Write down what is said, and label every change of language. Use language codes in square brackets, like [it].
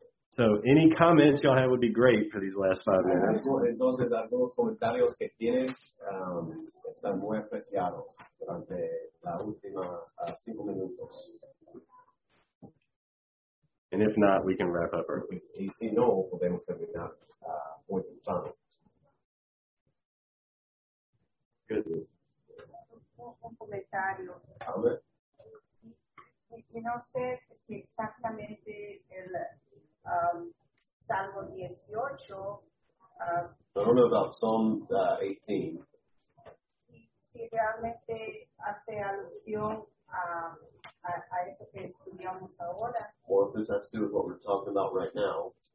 [en] So any comments y'all have would be great for these last 5 minutes. [es] Entonces algunos comentarios que tienes están muy apreciados durante la última 5 minutos. [en] And if not, we can wrap up early. [es] Y si no, podemos terminar muy temprano. [en] Good. [es] Un comentario. A ver. y no sé si exactamente el Salmo 18. [en] I don't know about Psalm 18. [es] Si realmente hace alusión a eso que estudiamos ahora. [en] Or if this has to do with what we're talking about right now.